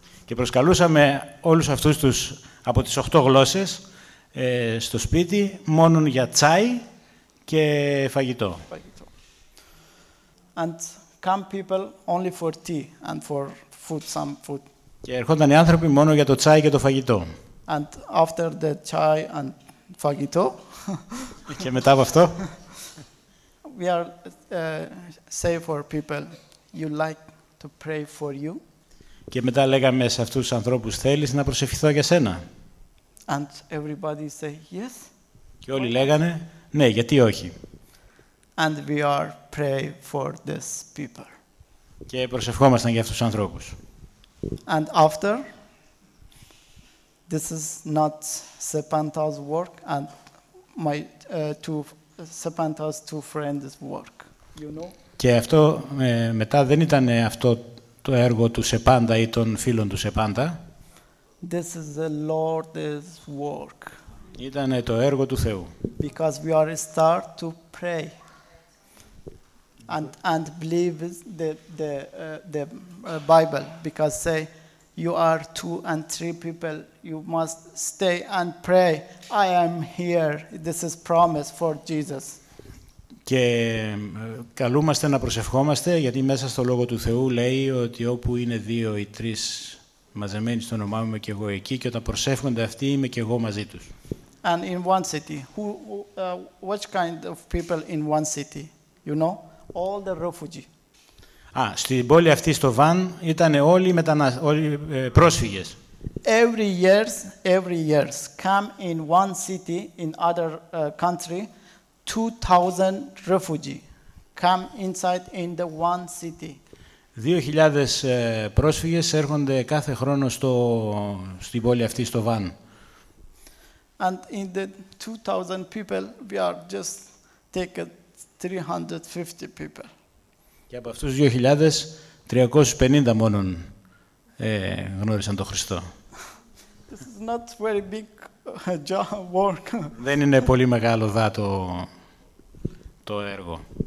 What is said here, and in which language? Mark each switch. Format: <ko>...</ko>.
<el>Και προσκαλούσαμε όλους αυτούς τους από τις 8 γλώσσες στο σπίτι μόνον για τσάι και φαγητό.</el> <en>And come people only for tea and for food, some food.</en> <el>Και ερχόταν οι άνθρωποι μόνο για το τσάι και το φαγητό.</el> <en>And after the chai and</en> <el>φαγητό. Και μετά από αυτό.</el> <en>We are say for people you like to pray for you.</en> <el>Και μετά λέγαμε σε αυτούς τους ανθρώπους θέλεις να προσευχηθώ για σένα.</el> <en>And everybody say yes.</en> <el>Και όλοι λέγανε ναι, γιατί όχι.</el> <en>And we are pray for these people.</en> <el>Και προσευχόμασταν για αυτούς τους ανθρώπους.</el> <en>And after this is not Sepanta's work and my Sepanta's two friends work, you know?</en> <el>Και αυτό μετά δεν ήταν αυτό το έργο του Σεπάντα ή των φίλων του Σεπάντα.</el> <en>This is the Lord's work.</en> <el>Ήταν το έργο του Θεού.</el> <en>Because we are start to pray and believe the Bible, because say you are two and three people, you must stay and pray. I am here. This is promise for Jesus.</en> <el>Και καλούμαστε να προσευχόμαστε, γιατί μέσα στο Λόγο του Θεού λέει ότι όπου είναι δύο ή τρεις μαζεμένοι στο όνομά μου, είμαι και εγώ εκεί, και όταν προσεύχονται αυτοί, είμαι και εγώ μαζί τους.</el> <en>And in one city, who, which kind of people in one city, you know, all the refugees.</en> <el>Στην πόλη αυτή, στο Van, ήταν όλοι πρόσφυγες.</el> <en>Every years, come in one city, in other country, 2,000 refugees come inside in the one city.</en> <el>2,000 πρόσφυγες έρχονται κάθε χρόνο στην πόλη αυτή, στο Van.</el> <en>And in the 2,000 people, we are just taken 350 people.</en> <el>Και από αυτούς 2,000, 350 μόνον γνώρισαν τον Χριστό.</el> <en>This is not very big job work.</en> <el>Δεν είναι πολύ μεγάλο δάτο το έργο.</el>